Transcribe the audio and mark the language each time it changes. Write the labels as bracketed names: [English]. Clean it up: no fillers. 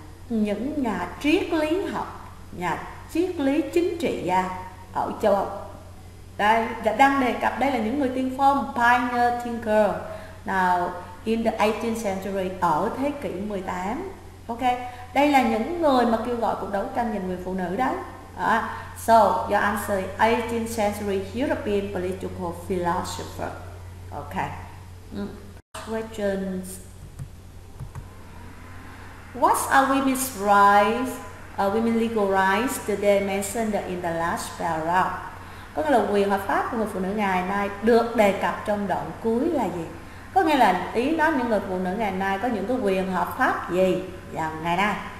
[Vietnamese] những nhà triết lý học, nhà triết lý chính trị gia ở châu Âu. Đây, đã đang đề cập đây là những người tiên phong, [English] pioneer thinker, [Vietnamese] nào [English] in the 18th century, [Vietnamese] ở thế kỷ 18. Ok, đây là những người mà kêu gọi cuộc đấu tranh giành quyền phụ nữ đó. [English] So, your answer is 18th century European political philosopher. Ok. Questions. What are women's rights, women's legal rights today mentioned in the last paragraph? [Vietnamese] Có nghĩa là quyền hợp pháp của người phụ nữ ngày nay được đề cập trong đoạn cuối là gì? Có nghĩa là ý đó những người phụ nữ ngày nay có những cái quyền hợp pháp gì vào ngày nay?